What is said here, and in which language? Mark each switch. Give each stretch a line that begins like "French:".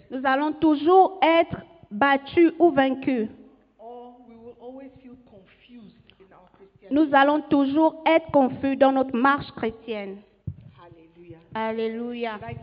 French: Nous allons toujours être battus ou vaincus.
English: Or we will always feel confused in our Christianity.
French: Nous allons toujours être confus dans notre marche chrétienne. Alléluia.